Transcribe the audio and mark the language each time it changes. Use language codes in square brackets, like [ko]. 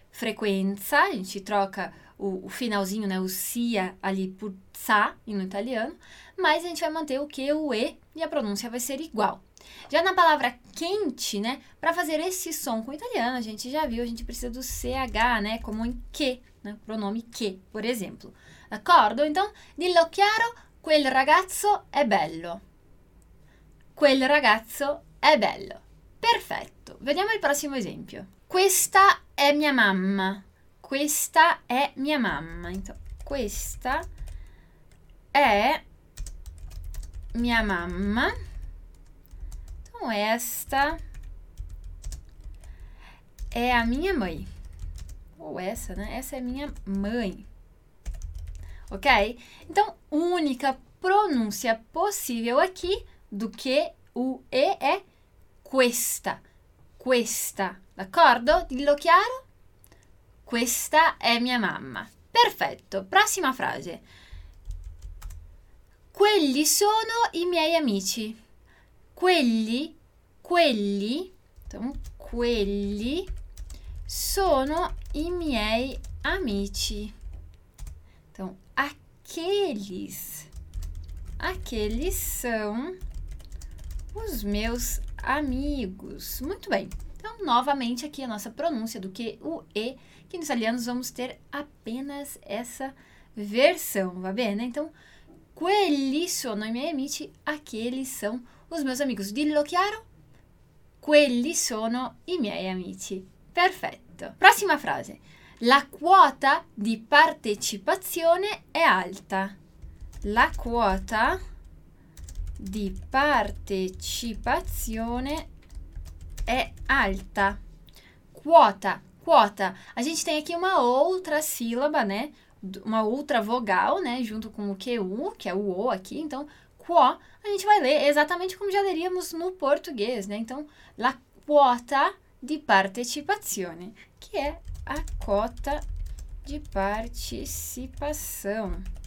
[pt] Frequenza, a gente troca o finalzinho, né, o sia ali por sa no italiano, mas a gente vai manter o que, o e, e a pronúncia vai ser igual. Já na palavra quente, né, para fazer esse som com o italiano, a gente já viu, a gente precisa do ch, né, como em que, né, pronome que, por exemplo. [it] D'accordo? Então, dillo chiaro, quel ragazzo è bello. Quel ragazzo è bello. Perfetto. Vediamo il prossimo esempio. Questa è mia mamma. Questa è mia mamma. Então, questa è mia mamma. [pt] Então, esta è a mia mãe. Ou essa, né? Essa è mia mãe. Ok? Então, única pronúncia possível aqui do que o e é questa. [it] Questa, d'accordo? Dillo chiaro? Questa è mia mamma. Perfetto, prossima frase. Quelli sono i miei amici. Quelli, então, quelli sono i miei amici. [pt] Então, aqueles são os meus amigos. Muito bem. Então, novamente aqui a nossa pronúncia do que o e, que nos italianos vamos ter apenas essa versão, va bene? Então, [it] quelli sono i miei amici, [pt] aqueles são os meus amigos. [it] Dillo chiaro? Quelli sono i miei amici. Perfetto. Prossima frase. La quota di partecipazione è alta. La quota di partecipazione è alta. Quota, quota. [pt] A gente tem aqui uma outra sílaba, né? Uma outra vogal, né? Junto com o QU, que é o O aqui. Então, quo, a gente vai ler exatamente como já leríamos no português, né? Então, [it] la quota di partecipazione, [pt] que é a cota de participação.